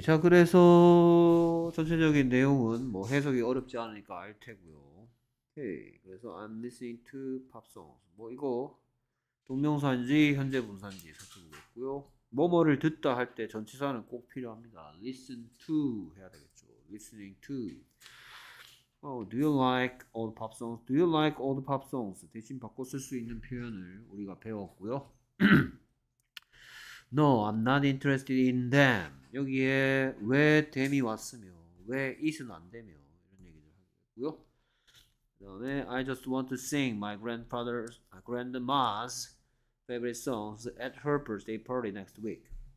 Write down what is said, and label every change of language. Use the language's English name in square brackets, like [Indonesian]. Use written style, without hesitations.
[Korean] 자, 그래서 전체적인 내용은 뭐 해석이 어렵지 않으니까 알 테고요. 오케이. 그래서 [English] I'm listening to pop songs. [Korean] 뭐 이거 동명사인지 현재 분사인지 살펴보겠고요. 뭐뭐를 듣다 할때 전치사는 꼭 필요합니다. [English] Listen to [Korean] 해야 되겠죠. [English] Listening to. Oh, do you like old pop songs? Do you like old pop songs? [Korean] 대신 바꿔 쓸수 있는 표현을 우리가 배웠고요. [English] No, I'm not interested in them. [Korean] 여기에 왜 them이 왔으며 왜 is는 안 되며 이런 얘기를 하고요. 그다음에 [English] I just want to sing my grandma's favorite songs at her birthday party next week.